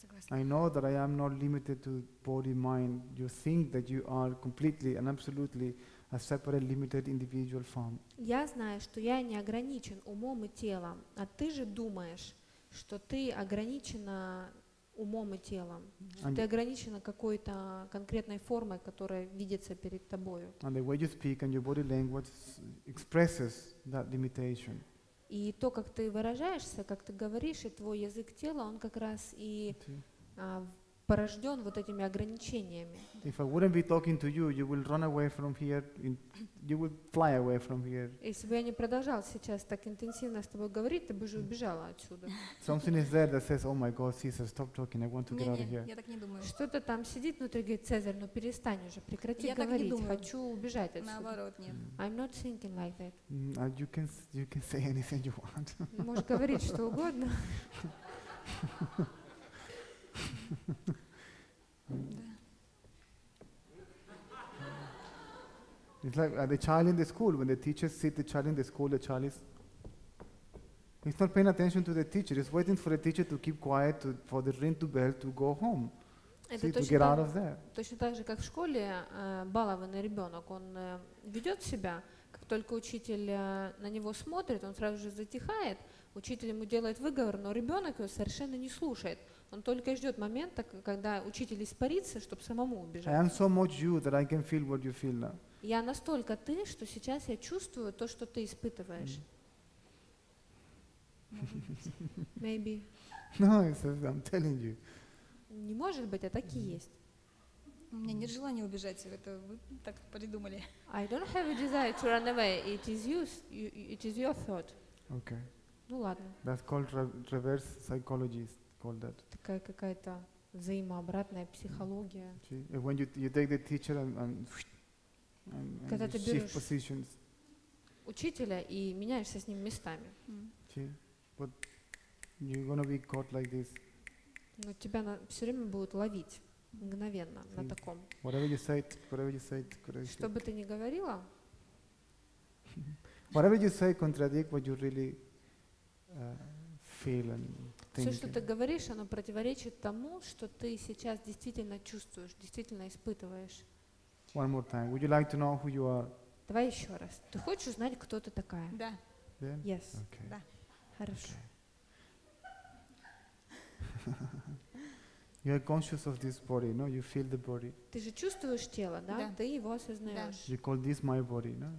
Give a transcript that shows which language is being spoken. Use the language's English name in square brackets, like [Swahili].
[English] I know that I am not limited to body, mind. You think that you are completely and absolutely a separate, limited, individual form. [Russian] Я знаю, что я не ограничен умом и телом, а ты же думаешь, что ты ограничена умом и телом, что ты ограничена какой-то конкретной формой, которая видится перед тобою. [English] And the way you speak and your body language expresses that limitation. [Russian] И то, как ты выражаешься, как ты говоришь, и твой язык тела, он как раз и порожден вот этими ограничениями. [English] If I wouldn't be talking to you, you will run away from here, you will fly away from here. [Russian] Если бы я не продолжал сейчас так интенсивно с тобой говорить, ты бы уже убежала отсюда. [English] Something is there that says, oh my God, Caesar, stop talking, I want to get out of here. [Russian] Я так не думаю. Что-то там сидит внутри, говорит, Цезарь, ну перестань уже, прекрати я говорить, хочу убежать отсюда. Наоборот, нет. [English] I'm not thinking like that. You can say anything you want. [Russian] Можешь говорить что угодно. [English] It's like the child in the school. When the teacher sits the child in the school, the child is. He's not paying attention to the teacher. He's waiting for the teacher to keep quiet, for the ring to bell to go home. See, to get out of there. [Russian] Точно так же, как в школе балованный ребенок, он ведет себя. Как только учитель на него смотрит, он сразу же затихает. Учитель ему делает выговор, но ребенок его совершенно не слушает. Он только и ждет момента, когда учитель испарится, чтобы самому убежать. [English] I am so much you that I can feel what you feel now. [Russian] Я настолько ты, что сейчас я чувствую то, что ты испытываешь. [English] Maybe. No, I'm telling you. [Russian] Не может быть, а так и есть. У меня нет желания убежать, это вы так придумали. [English] I don't have a desire to run away. It is your thought. Okay. [Russian] Ну ладно. [English] That's called reverse psychology. Called that. [Russian] Такая какая-то взаимообратная психология. [English] See, when you take the teacher and shift positions. [Russian] Учителя и меняешься с ним местами. [English] See, but you're gonna be caught like this. [Russian] Но тебя все время будут ловить мгновенно на таком. [English] Whatever you say. [Russian] Что бы ты ни говорила. [English] Whatever you say contradict what you really feel and think. [Russian] Все, что ты говоришь, оно противоречит тому, что ты сейчас действительно чувствуешь, действительно испытываешь. [English] One more time. Would you like to know who you are? [Russian] Давай еще раз. Ты хочешь узнать, кто ты такая? Да. [English] Yeah? Yes. Okay. [Russian] Да. Хорошо. [English] Okay. You are conscious of this body, no? You feel the body. [Russian] Ты же чувствуешь тело, да? Ты его осознаешь. [English] You call this my body, no?